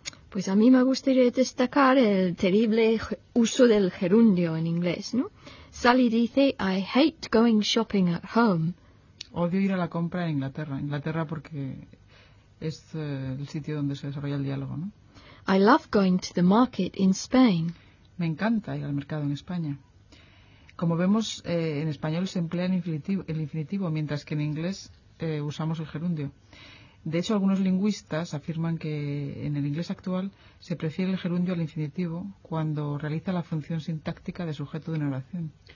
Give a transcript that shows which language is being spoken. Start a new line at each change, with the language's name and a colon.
Spanish: Pues a mí me gustaría destacar el terrible uso del gerundio en inglés, ¿no? Sally dice,
English: I hate going shopping at home.
Spanish: Odio ir a la compra en Inglaterra. Inglaterra porque es el sitio donde se desarrolla el diálogo, ¿no?
English: I love going to the market in Spain.
Spanish: Me encanta ir al mercado en España. Como vemos, en español se emplea el infinitivo, mientras que en inglés usamos el gerundio. De hecho, algunos lingüistas afirman que en el inglés actual se prefiere el gerundio al infinitivo cuando realiza la función sintáctica de sujeto de una oración.